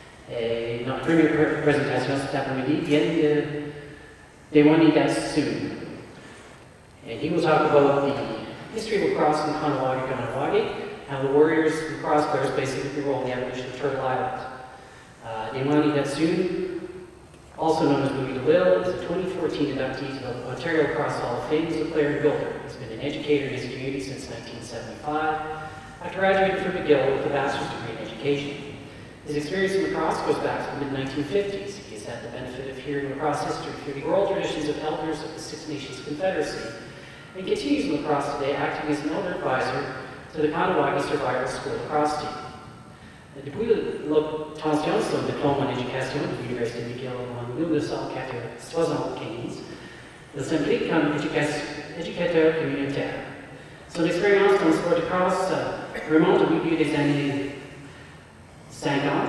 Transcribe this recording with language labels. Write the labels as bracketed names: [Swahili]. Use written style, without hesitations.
[French] Et notre première présentation cet après-midi vient de Tewenhni'tatshon. [English] And he will talk about the history of lacrosse in Caughnawaga, Kahnawake, and the Warriors and lacrosse players basically the role in the evolution of Turtle Island. Tewenhni'tatshon, also known as Louis Delisle, is a 2014 inductee to the Ontario Lacrosse Hall of Fame as a player and builder. He's been an educator in his community since 1975, after graduating from McGill with a bachelor's degree in education. His experience in lacrosse goes back to the mid-1950s. He has had the benefit of hearing lacrosse history through the oral traditions of elders of the Six Nations Confederacy, and continues in lacrosse today, acting as an elder advisor to the Caughnawaga Survival School lacrosse team. [French] Depuis l'obtention de son diplôme en éducation de l'Université McGill en 1975, il s'implique comme éducateur communautaire. Son expérience dans le sport de lacrosse remonte au début des années 50.